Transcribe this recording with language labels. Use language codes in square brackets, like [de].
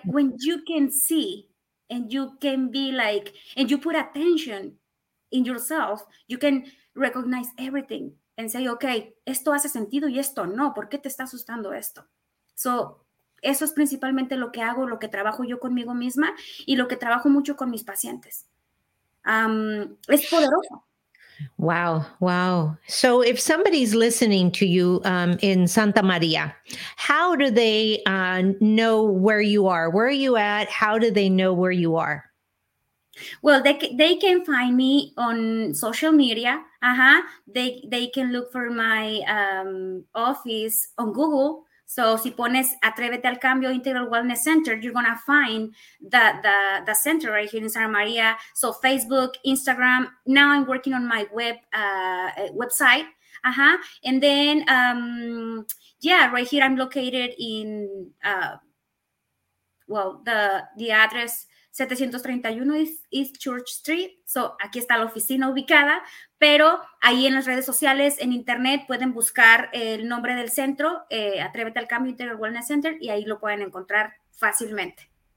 [en] When you can see and you can be like, and you put attention in yourself, you can recognize everything. And say, okay, [es] esto hace sentido y esto no. ¿Por qué te está asustando esto? So, eso es principalmente lo que hago, lo que trabajo yo conmigo misma y lo que trabajo mucho con mis pacientes. Es poderoso. Wow, wow. [en] So if somebody's listening to you in Santa Maria, how do they know where you are? Where are you at? How do they know where you are? Well, they can find me on social media. Uh-huh. They can look for my office on Google. So [es] si pones [en] Atrévete al Cambio Integral Wellness Center, you're going to find the center right here in Santa Maria. So Facebook, Instagram. Now I'm working on my website. Uh-huh. And then, right here I'm located in, the address 731 East Church Street. [es] So aquí está la oficina ubicada. Pero ahí en las redes sociales, en internet, pueden buscar el nombre del centro, Atrévete al Cambio Integral Wellness Center, y ahí lo pueden encontrar fácilmente.